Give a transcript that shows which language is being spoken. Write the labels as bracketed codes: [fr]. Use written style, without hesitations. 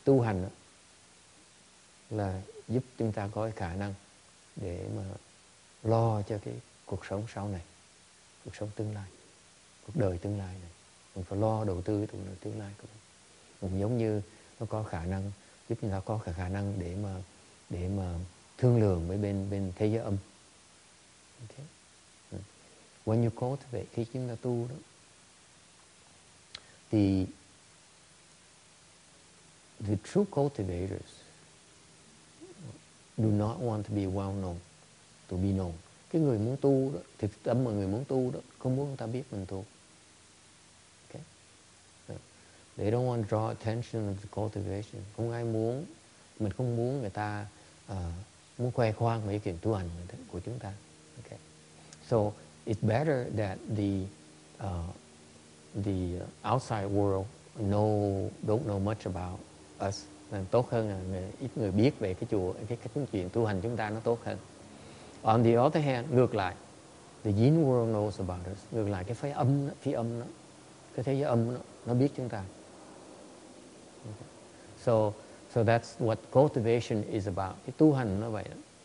[vi] Tu hành đó là giúp chúng ta có cái khả năng để mà lo cho cái cuộc sống sau này, cuộc sống tương lai, cuộc đời tương lai này. Mình phải lo đầu tư cuộc đời tương lai của mình. Giống như nó có khả năng, giúp chúng ta có khả năng để mà thương lượng với bên thế giới âm. [en] Okay. When you cultivate, [vi] khi chúng ta tu đó, [en] the true cultivators do not want to be well known, to be known. [vi] Cái người muốn tu đó, thực tâm mà người muốn tu đó, không muốn người ta biết mình tu. [en] Okay. They don't want to draw attention to the cultivation. [vi] Không ai muốn, mình không muốn người ta muốn khoe khoang về chuyện tu hành của chúng ta. [en] Okay. So it's better that the outside world don't know much about us. [vi] Nên tốt hơn là ít người biết về cái chùa, cái chuyện tu hành chúng ta nó tốt hơn. [en] On the other hand, [vi] ngược lại, [en] the yin world knows about us. [vi] Ngược lại, cái phía âm đó, cái thế giới âm đó, nó biết chúng ta. [en] Okay. So that's what cultivation is about. [vi] Cái tu hành nó vậy đó.